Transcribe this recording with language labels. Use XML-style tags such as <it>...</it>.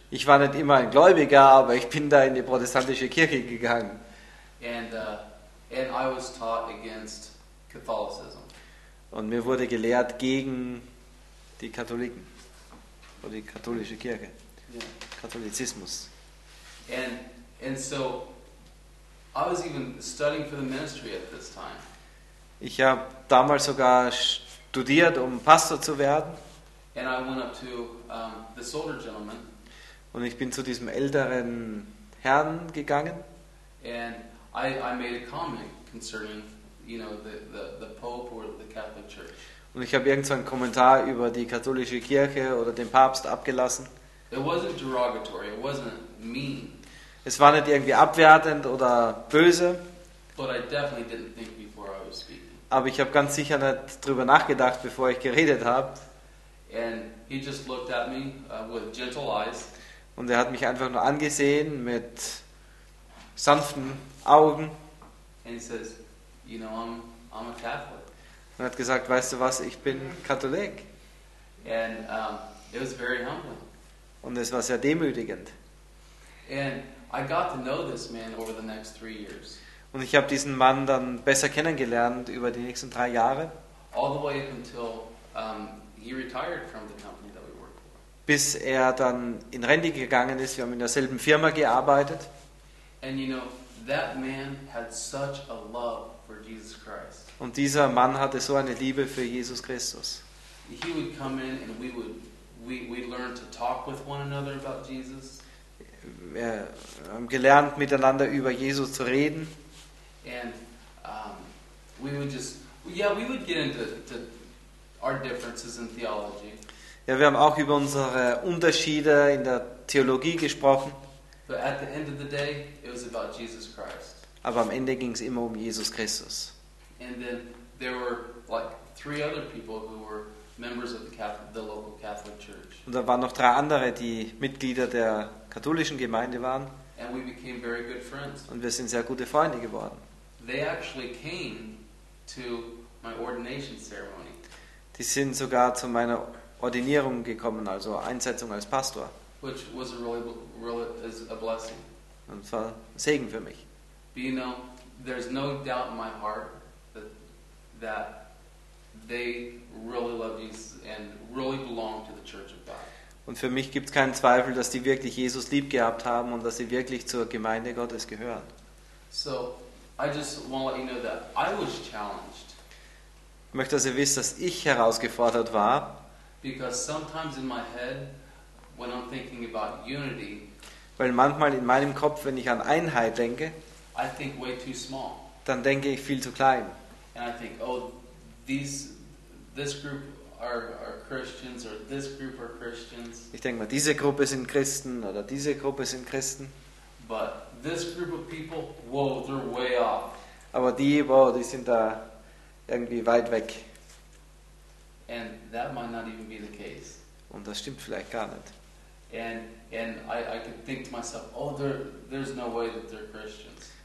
<de>Ich war nicht immer ein Gläubiger, aber ich bin da in die protestantische Kirche gegangen.</de> <en>And I was taught against Catholicism.</en> <de>Und mir wurde gelehrt gegen die Katholiken oder die katholische Kirche, yeah. Katholizismus.</de> <en>And so I was even studying for the ministry at this time.</en> <de>Ich habe damals sogar studiert, um Pastor zu werden.</de> <en>And I went up to this older gentleman.</en> <de>Und ich bin zu diesem älteren Herrn gegangen.</de> <en>And I made a comment concerning, you know, the Pope or the Catholic Church.</en> <de>Und ich habe irgend so einen Kommentar über die katholische Kirche oder den Papst abgelassen.</de> <en>It wasn't derogatory, it wasn't mean.</en> <de>Es war nicht irgendwie abwertend oder böse.</de> <en>But I definitely didn't think before I was speaking.</en> <de>Aber ich habe ganz sicher nicht drüber nachgedacht, bevor ich geredet habe.</de> <en>And he just looked at me with gentle eyes.</en> <de>Und er hat mich einfach nur angesehen mit sanften Augen.</de> <en>And he says, you know, I'm a Catholic.</en> <de>Und er hat gesagt, weißt du was, ich bin Katholik.</de> <en>And it was very humbling.</en> <de>Und es war sehr demütigend.</de> <en>And I got to know this man over the next 3 years.</en> <de>Und ich habe diesen Mann dann besser kennengelernt über die nächsten 3 Jahre.</de> <en>All the way until he retired from the company that we worked for.</en> <de>Bis er dann in Rente gegangen ist, wir haben in derselben Firma gearbeitet.</de> <en>And you know, that man had such a love for Jesus Christ.</en> <de>Und dieser Mann hatte so eine Liebe für Jesus Christus.</de> <en>He would come in and we learn to talk with one another about Jesus.</en> <de>Wir haben gelernt, miteinander über Jesus zu reden.</de> <en>And we would just, yeah, we would get into our differences in theology.</en> <de>Ja, wir haben auch über unsere Unterschiede in der Theologie gesprochen.</de> <en>But at the end of the day, it was about Jesus Christ.</en> <de>Aber am Ende ging es immer um Jesus Christus.</de> <en>And then there were like 3 other people who were members of the local Catholic Church.</en> <de>Und da waren noch 3 andere, die Mitglieder der katholischen Gemeinde waren.</de> <en>And we became very good friends.</en> <de>Und wir sind sehr gute Freunde geworden.</de> <en>They actually came to my ordination ceremony.</en> <de>Die sind sogar zu meiner Ordinierung gekommen, also Einsetzung als Pastor.</de> <en>Which was a really is a blessing.</en> <de>Und es war ein Segen für mich.</de> <en>But you know, there's no doubt in my heart that they really love Jesus and really belong to the Church of God.</en> <de>Und für mich gibt's keinen Zweifel, dass die wirklich Jesus lieb gehabt haben und dass sie wirklich zur Gemeinde Gottes gehören.</de> <en>So, I just want to let you know that I was challenged.</en> <de>Ich möchte, dass ihr wisst, dass ich herausgefordert war.</de> <en>Because sometimes in my head, when I'm thinking about unity,</en> <de>weil manchmal in meinem Kopf, wenn ich an Einheit denke,</de> <en>I think way too small.</en> <de>Dann denke ich viel zu klein.</de> <en>And I think, oh, this group are Christians, or this group are Christians.</en> <de>Ich denke mal, diese Gruppe sind Christen oder diese Gruppe sind Christen.</de> <en>But this group of people, whoa, they're way off.</en> <de>Aber die, wow, die sind da irgendwie weit weg.</de> <en>And that might not even be the case.</en> <de>Und das stimmt vielleicht gar nicht.</de> <en>And I could think to myself, oh, there's no way that they're Christians.</en>